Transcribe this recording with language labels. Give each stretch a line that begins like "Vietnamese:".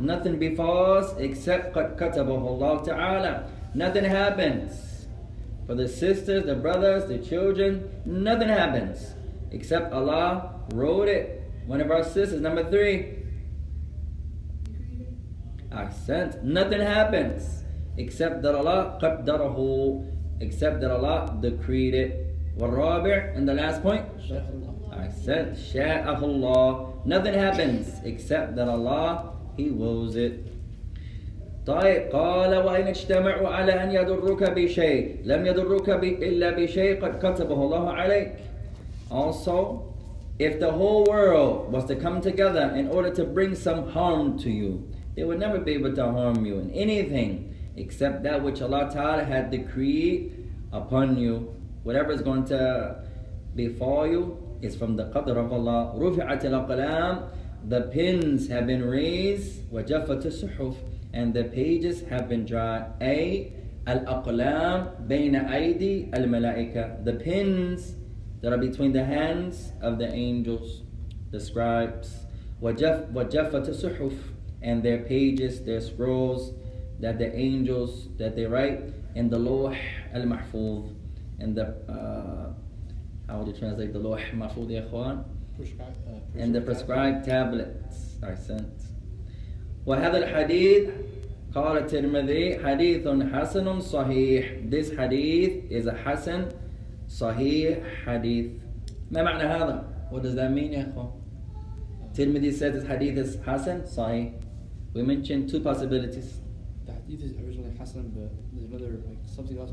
English: Nothing befalls except
Arabic: قد كتبه الله تعالى.
English: Nothing happens. For the sisters, the brothers, the children, nothing happens except Allah wrote it. One of our sisters, number three. Accent. Nothing happens except that Allah qaddarahu, except that Allah decreed it.
Arabic: والرابع,
English: and the last point.
Arabic: Accent. شاءه الله.
English: Nothing happens except that Allah, He wills it.
Arabic: طيب قال وإن اجتمعوا على أن يضروك بشيء لم يضروك إلا بشيء قد كتبه الله عليك.
English: Also, if the whole world was to come together in order to bring some harm to you, they would never be able to harm you in anything except that which Allah Ta'ala had decreed upon you. Whatever is going to befall you is from the qadr of Allah.
Arabic: رفعت الأقلام.
English: The pens have been raised.
Arabic: وجفت الصحف.
English: And the pages have been dried. A.
Arabic: الأقلام بين أيدي الملائكة.
English: The pens that are between the hands of the angels, the scribes.
Arabic: وجفت الصحف.
English: And their pages, their scrolls, that the angels, that they write in the لوح المحفوظ. In the, how would you translate the لوح المحفوظ
Arabic: يا إخوان?
English: In the prescribed tablets. I sent.
Arabic: وهذا الحديث قال الترمذي حديث حسن صحيح.
English: This hadith is a hasan sahih hadith.
Arabic: ما معنى هذا?
English: What does that mean, اخو? الترمذي said this hadith is hasan sahih. We mentioned two possibilities. The hadith is originally hasan, but there's another, like, something else.